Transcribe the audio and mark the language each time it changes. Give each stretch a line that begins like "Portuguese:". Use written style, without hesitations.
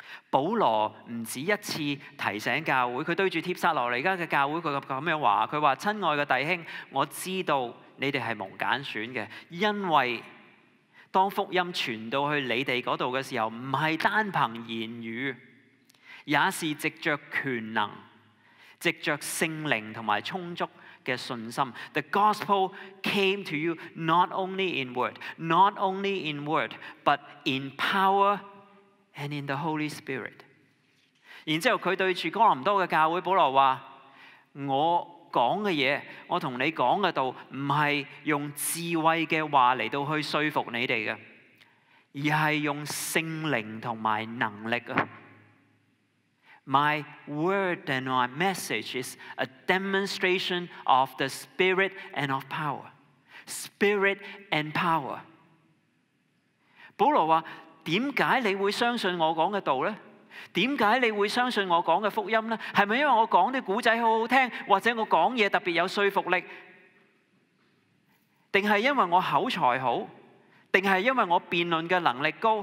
Chinese: 保罗不止一次提醒教会，他对着帖撒罗尼加的教会他这样说，他说，亲爱的弟兄，我知道你们是蒙拣选的，因为当福音传到去你们那里的时候，不是单凭言语，也是藉着权能，藉着圣灵和充足的信心。
English: The gospel came to you not only in word, not only in word, but in power and in the Holy Spirit.
Chinese: 然后他对着哥林多的教会保罗说，我说的东西，我跟你说的道，不是用智慧的话来到去说服你们的，而是用圣灵和能力。
English: My word and my message is a demonstration of the Spirit and of power. Spirit and power.
Chinese: 保罗说，为什么你会相信我讲的道呢？为什么你会相信我讲的福音呢？是不是因为我讲的故事很好听，或者我讲的特别有说服力？还是因为我口才好？还是因为我辩论的能力高？